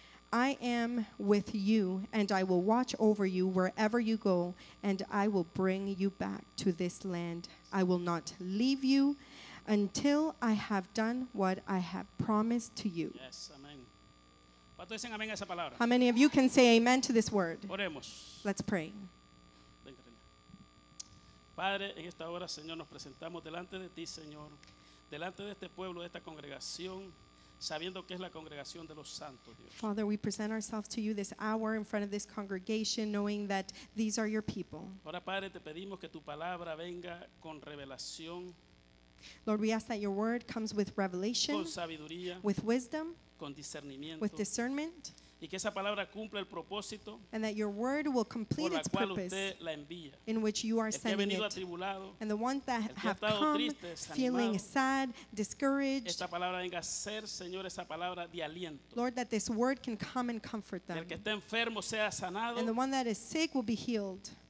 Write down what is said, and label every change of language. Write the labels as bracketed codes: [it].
[en] I am with you, and I will watch over you wherever you go, and I will bring you back to this land. I will not leave you until I have done what I have promised to you. Yes, amen. [es] ¿Cuántos dicen amén a esa palabra? [en] How many of you can say amen to this word? [es] Oremos. [en] Let's pray. [es] Padre, en esta hora, Señor, nos presentamos delante de ti, Señor, delante de este pueblo, de esta congregación, sabiendo que es la congregación de los santos, Dios. [en] Father, we present ourselves to you this hour in front of this congregation, knowing that these are your people. [es] Ahora, Padre, te pedimos que tu palabra venga con revelación. [en] Lord, we ask that your word comes with revelation, [es] con sabiduría, [en] with wisdom, [es] con discernimiento, [en] with discernment, [es] y que esa palabra cumpla el propósito, [en] and that your word will complete its purpose in which you are sending it. And the ones that have come feeling sad, discouraged, [es] esta palabra venga a ser, Señor, esa palabra de aliento. [en] Lord, that this word can come and comfort them. [es] El que esté enfermo sea sanado. [en] And the one that is sick will be healed.